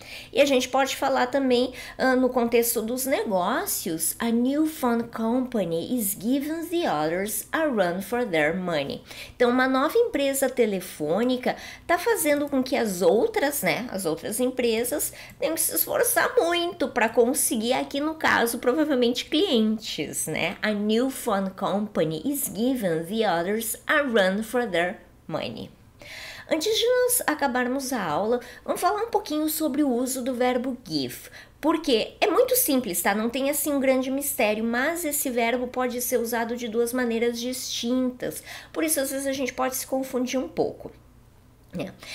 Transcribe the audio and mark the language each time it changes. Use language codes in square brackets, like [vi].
[pt] E a gente pode falar também no contexto dos negócios, [en] a new fund company is giving the others a run for their money. [pt] Então, uma nova empresa telefônica está fazendo com que as outras, né, as outras empresas tenham que se esforçar muito para conseguir, aqui no caso, provavelmente clientes, né? [en] A new fund company is giving the others a run for their money. [pt] Antes de nós acabarmos a aula, vamos falar um pouquinho sobre o uso do verbo give. Porque é muito simples, tá? Não tem assim um grande mistério, mas esse verbo pode ser usado de duas maneiras distintas. Por isso, às vezes, a gente pode se confundir um pouco, né?